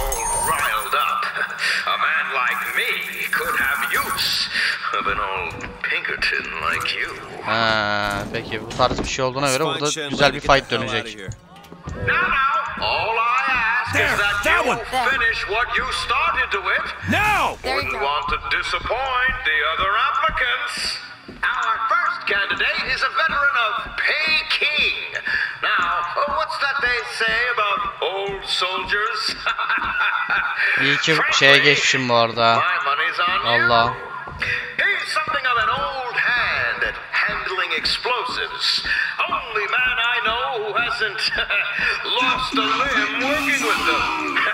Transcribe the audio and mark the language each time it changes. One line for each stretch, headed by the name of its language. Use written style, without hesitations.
English: A man like me could have use of an old Pinkerton like you.
Turkish: Peki bu tarz bir şey olduğuna göre burada güzel bir fight dönecek.
English: All I ask is that you finish what you started to it. No! Wouldn't want to disappoint the other applicants. Our first candidate is a veteran of Peking. Now, what's that they say about old soldiers?
Turkish: İyi ki şeye geçmişim bu arada. Allah.
English: He's something of an old hand at handling explosives. Only man I know who hasn't lost a limb working with them.